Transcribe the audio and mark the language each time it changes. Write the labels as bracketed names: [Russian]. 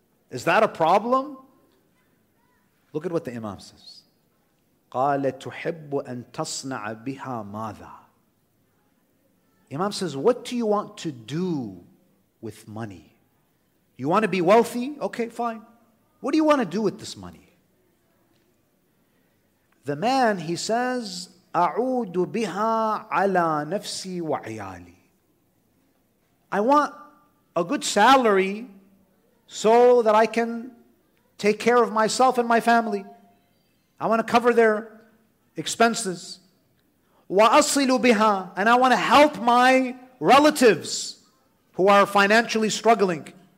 [English] Is that a problem? Look at what the Imam says. [Arabic] قَالَ تُحِبُّ أَن تَصْنَعَ بِهَا مَاذَا. [English] Imam says, what do you want to do with money? You want to be wealthy? Okay, fine. What do you want to do with this money? The man, he says, [Arabic] أعود بها على نفسي وعيالي. [English] I want a good salary so that I can take care of myself and my family. I want to cover their expenses. [Arabic] وأصل بها, [English] and I want to help my relatives who are financially struggling.